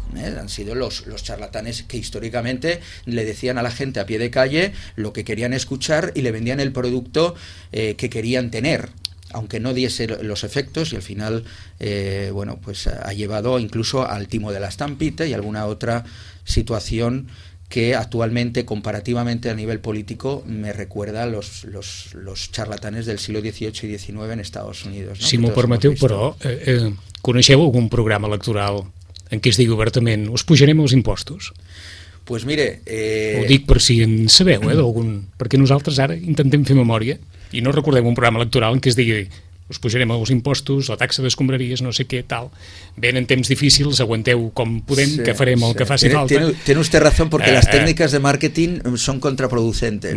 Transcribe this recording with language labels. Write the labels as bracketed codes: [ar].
[es] Han sido los charlatanes que históricamente le decían a la gente a pie de calle lo que querían escuchar y le vendían el producto que querían tener, aunque no diese los efectos, y al final bueno, pues ha llevado incluso al timo de la estampita y alguna otra situación que actualmente, comparativamente a nivel político, me recuerda a los charlatanes del siglo XVIII y XIX en Estados Unidos, [ca] ¿no? Si m'ho permeteu, però, ¿coneixeu algun programa electoral en què es digui obertament, us pujarem els impostos? [es] Pues mire... [ca] Ho dic per si en sabeu, d'algun... Perquè nosaltres ara intentem fer memòria i no recordem un programa electoral en què es digui us pujarem els impostos, la taxa d'escombraries, no sé què, tal. Ben en temps difícils, aguanteu com podem, sí, que farem el que faci falta. [es] Tiene usted razón, porque las técnicas de marketing son contraproducentes.